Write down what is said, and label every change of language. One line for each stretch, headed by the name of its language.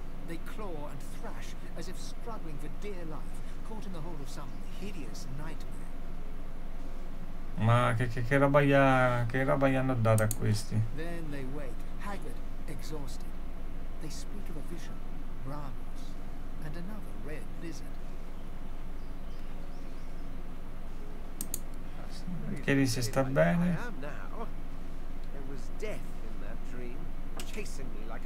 English: They claw and thrash as if struggling for dear life, caught in the hold of some hideous nightmare.
Italian: Ma che roba gli hanno data a questi?
English: Then they wake, haggard, exhausted. They speak of a vision, Ramos, and another red lizard.
Italian: Chiedi se sta bene.
English: I am now. There was death in that dream, chasing me.